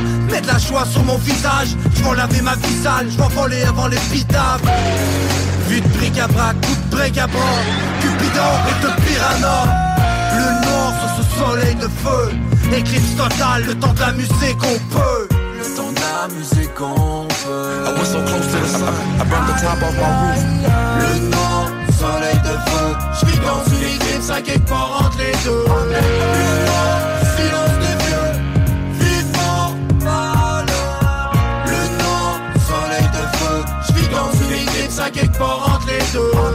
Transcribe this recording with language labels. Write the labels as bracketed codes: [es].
[fr] Mets de la joie sur mon visage, je vais laver ma vie sale, je vais voler avant l'épitaphe. Vue de bric-à-brac, coup de bric-à-brac. Cupidon est un piranha. Le noir sur ce soleil de feu. Éclipse totale, le temps de la musique on peut. Le temps de la musique on peut. [en] I was so close to the sun, I burned the top of my roof. [fr] Le noir, soleil de feu. J'vis dans une éclipse à quelque part entre les deux. Le noir, silence des vieux. Vivant malheur. Le noir, soleil de feu. J'vis dans une éclipse à quelque part entre les deux.